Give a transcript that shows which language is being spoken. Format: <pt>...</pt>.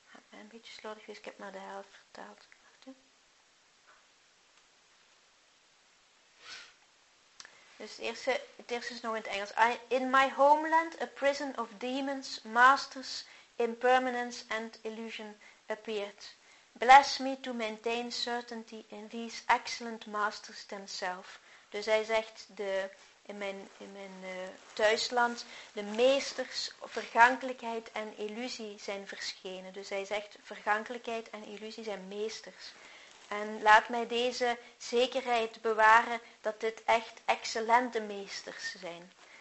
<nl>Een beetje slordig is, ik heb maar de helft vertaald. Dus het eerste is nog in het Engels.</nl> <en>In my homeland, a prison of demons, masters, impermanence and illusion appeared. Bless me to maintain certainty in these excellent masters themselves.</en> <nl>Dus hij zegt, in mijn thuisland, de meesters vergankelijkheid en illusie zijn verschenen. Dus hij zegt, vergankelijkheid en illusie zijn meesters. En laat mij deze zekerheid bewaren dat dit echt excellente meesters zijn.</nl>